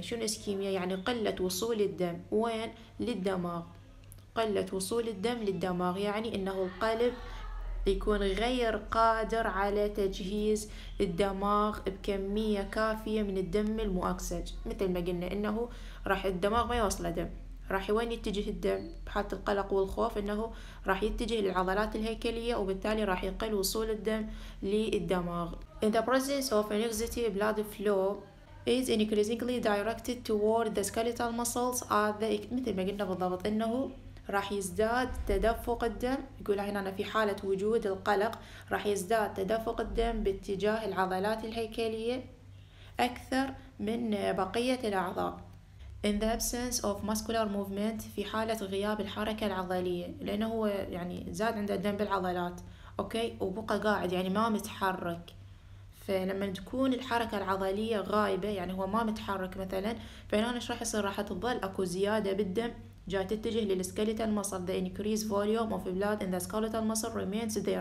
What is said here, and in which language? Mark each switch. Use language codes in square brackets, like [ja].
[ar] شنو ischemia يعني قلة وصول الدم وين للدماغ قلة وصول الدم للدماغ يعني انه القلب يكون غير قادر على تجهيز الدماغ بكمية كافية من الدم المؤكسج مثل ما قلنا انه راح الدماغ ما يوصل دم راح وين يتجه الدم بحالة القلق والخوف انه راح يتجه للعضلات الهيكلية وبالتالي راح يقل وصول الدم للدماغ. [en] In the presence of an excessive blood flow is increasingly directed toward the skeletal muscles [ar] مثل ما قلنا بالضبط انه راح يزداد تدفق الدم. يقول هنا أنا في حالة وجود القلق راح يزداد تدفق الدم باتجاه العضلات الهيكلية أكثر من بقية الأعضاء. [en] In the absence of muscular movement [ar] في حالة غياب الحركة العضلية، لأنه هو يعني زاد عنده الدم بالعضلات، أوكي، وبقى قاعد يعني ما متحرك. فلما تكون الحركة العضلية غايبة يعني هو ما متحرك مثلاً، فهنا إيش راح يصير؟ راح تظل أكو زيادة بالدم جاي تتجه للسكيليتال مسل. [en] The increased volume of blood in the skeletal muscle remains there.